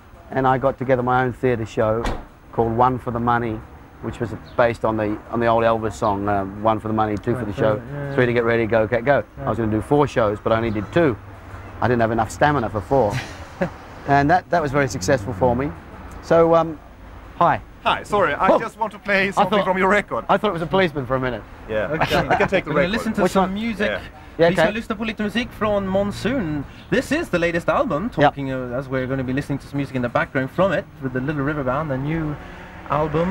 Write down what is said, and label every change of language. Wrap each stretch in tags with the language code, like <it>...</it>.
<en>And I got together my own theatre show called One for the Money, which was based on the old Elvis song, One for the Money, Two for the Show, Three to Get Ready, Go, Get Go. Yeah. I was going to do four shows, but I only did two. I didn't have enough stamina for four. And that was very successful for me. So, hi. Hi, sorry, just want to play something from your record. I thought it was a policeman for a minute. Yeah, okay. I can take the record. Listen to some music. Yeah. Yeah, okay.</en> <sv>Vi ska lyssna på lite musik från Monsoon.</sv> <en>This is the latest album, talking yep. as we're going to be listening to some music in the background from it, with the Little River Band, the new album.</en>